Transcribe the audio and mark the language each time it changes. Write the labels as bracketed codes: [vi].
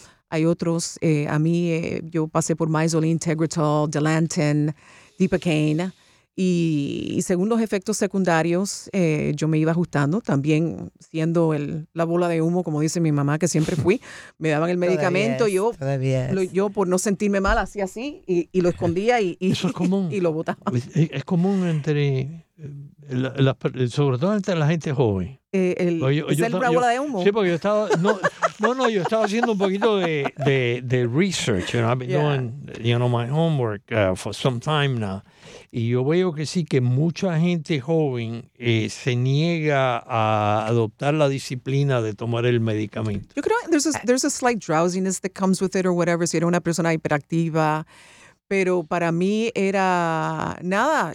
[es] Hay otros, yo pasé por Misoline, Tegretol, Dilantin, Dipocaine, y según los efectos secundarios, yo me iba ajustando, también siendo la bola de humo, como dice mi mamá, que siempre fui, me daban el medicamento, yo por no sentirme mal, hacía así, y lo escondía y lo botaba. Es común entre, sobre todo entre la gente joven. ¿Es la bola de humo? Sí, porque yo estaba... No, yo estaba haciendo un poquito de research. [en] You know, I've been doing my homework for some time now. [es] Y yo veo que sí, que mucha gente joven se niega a adoptar la disciplina de tomar el medicamento. [en] There's a slight drowsiness that comes with it or whatever. [es] Si era una persona hiperactiva, pero para mí era nada.